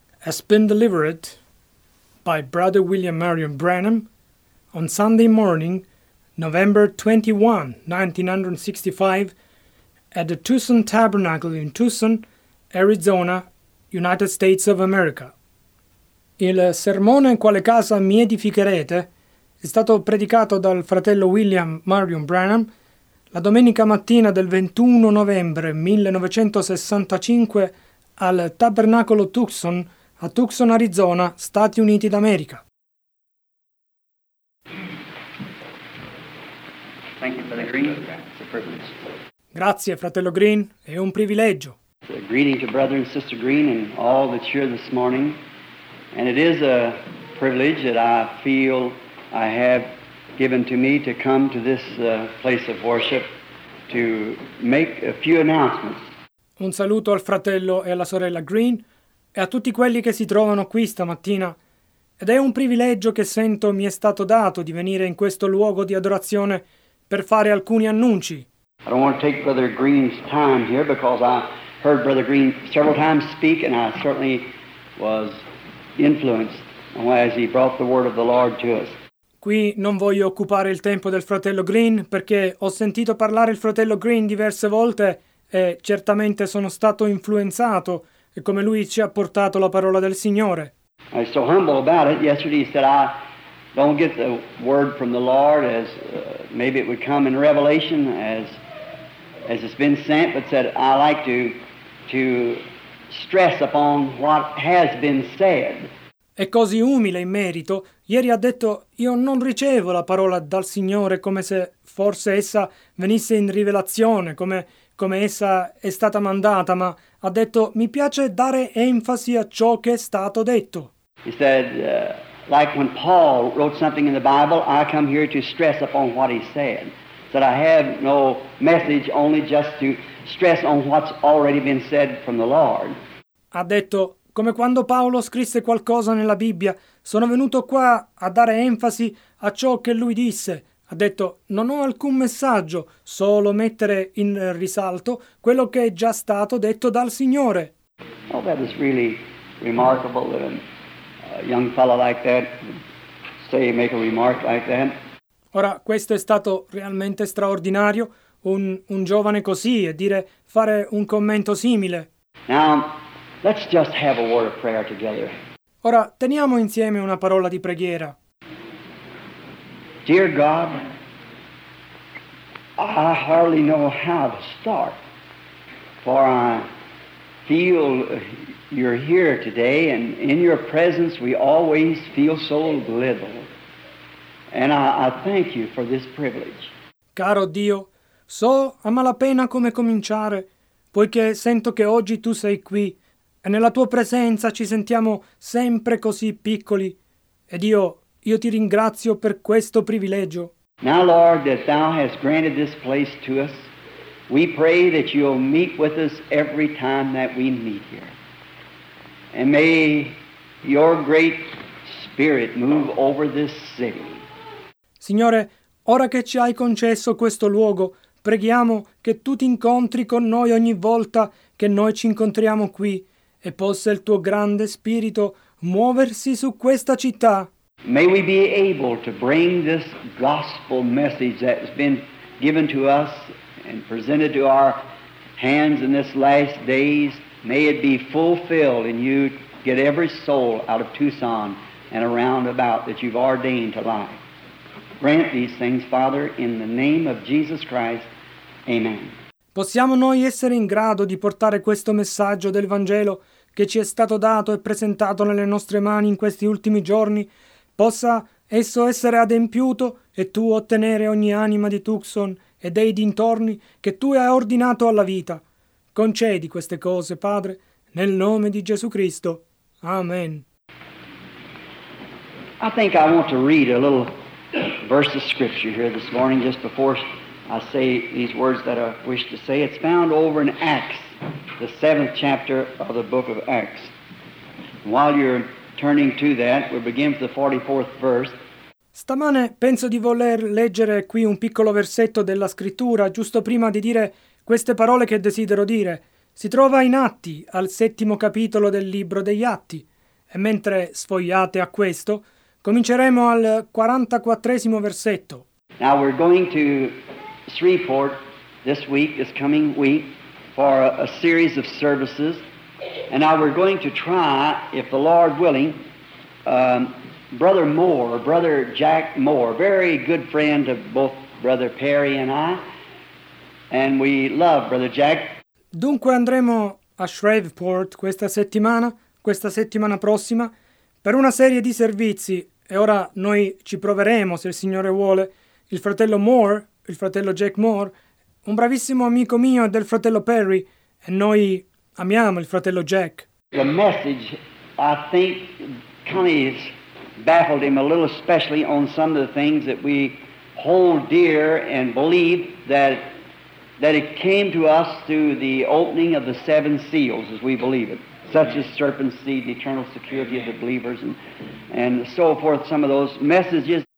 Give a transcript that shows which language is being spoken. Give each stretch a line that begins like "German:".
English: has been delivered by Brother William Marion Branham on Sunday morning, November 21, 1965, at the Tucson Tabernacle in Tucson, Arizona, United States of America.
Italian: Il sermone "In quale casa mi edificherete?" è stato predicato dal fratello William Marion Branham la domenica mattina del 21 novembre 1965 al Tabernacolo Tucson a Tucson, Arizona, Stati Uniti d'America.
English: Thank you, Brother Green. It's a privilege.
Italian: Grazie, fratello Green, è un privilegio.
English: Greeting to Brother and Sister Green and all that's here this morning. And it is a privilege that I feel I have given to me to come to this place of worship to make a few announcements.
Italian: Un saluto al fratello e alla sorella Green e a tutti quelli che si trovano qui stamattina. Ed è un privilegio che sento mi è stato dato di venire in questo luogo di adorazione per fare alcuni annunci.
English: I don't want to take Brother Green's time here because I heard Brother Green several times speak and I certainly was influenced as he brought the word of the Lord to us.
Italian: Qui non voglio occupare il tempo del fratello Green perché ho sentito parlare il fratello Green diverse volte e certamente sono stato influenzato e come lui ci ha portato la parola del Signore.
English: I'm so humble about it. Yesterday he said I don't get the word from the Lord as maybe it would come in Revelation as it's been sent, but said I like to stress upon what has been said.
Italian: È così umile in merito. Ieri ha detto, io non ricevo la parola dal Signore come se forse essa venisse in rivelazione, come essa è stata mandata, ma ha detto, mi piace dare enfasi a ciò che è stato detto.
English: He said, like when Paul wrote something in the Bible, I come here to stress upon what he said. That I have no message only just to stress on what's already been said from the Lord.
Italian: Ha detto, come quando Paolo scrisse qualcosa nella Bibbia, sono venuto qua a dare enfasi a ciò che lui disse. Ha detto, non ho alcun messaggio, solo mettere in risalto quello che è già stato detto dal Signore.
English: Oh, that is really remarkable that a young fellow like that say make a remark like that.
Italian: Ora, questo è stato realmente straordinario, un giovane così, e dire, fare un commento simile.
English: Now, let's just have a word of prayer together.
Italian: Ora, teniamo insieme una parola di preghiera.
English: Dear God, I hardly know how to start, for I feel you're here today, and in your presence we always feel so little. And I thank you for this privilege.
Italian: Caro Dio, so a malapena come cominciare, poiché sento che oggi tu sei qui, e nella tua presenza ci sentiamo sempre così piccoli. Ed io ti ringrazio per questo privilegio.
English: Now, Lord, that thou hast granted this place to us, we pray that you'll meet with us every time that we meet here. And may your great spirit move over this city.
Italian: Signore, ora che ci hai concesso questo luogo, preghiamo che tu ti incontri con noi ogni volta che noi ci incontriamo qui e possa il tuo grande spirito muoversi su questa città.
English: May we be able to bring this gospel message that has been given to us and presented to our hands in this last days, may it be fulfilled and you get every soul out of Tucson and around about that you've ordained to life. Grant these things, Father, in the name of Jesus Christ. Amen.
Italian: Possiamo noi essere in grado di portare questo messaggio del Vangelo che ci è stato dato e presentato nelle nostre mani in questi ultimi giorni? Possa esso essere adempiuto e tu ottenere ogni anima di Tucson e dei dintorni che tu hai ordinato alla vita? Concedi queste cose, Padre, nel nome di Gesù Cristo. Amen.
English: I think I want to read a little verse of scripture here this morning just before I say these words that I wish to say. It's found over in Acts, the 7th chapter of the book of Acts. And while you're turning to that, we'll begin with the 44th verse.
Italian: Stamane penso di voler leggere qui un piccolo versetto della scrittura giusto prima di dire queste parole che desidero dire. si trova in Atti, al settimo capitolo del libro degli Atti, e mentre sfogliate a questo, cominceremo al 44esimo versetto.
English: Now we're going to Shreveport this week, this coming week, for a series of services, and now we're going to try, if the Lord willing, Brother Moore, Brother Jack Moore, very good friend of both Brother Perry and I, and we love Brother Jack.
Italian: Dunque andremo a Shreveport questa settimana prossima, per una serie di servizi, e ora noi ci proveremo, se il Signore vuole, il fratello Jack Moore, un bravissimo amico mio del fratello Perry, e noi amiamo il fratello Jack.
English: The message, I think, kind of baffled him a little, especially on some of the things that we hold dear and believe that it came to us through the opening of the seven seals, as we believe it, such as serpent seed, the eternal security of the believers, and so forth, some of those messages.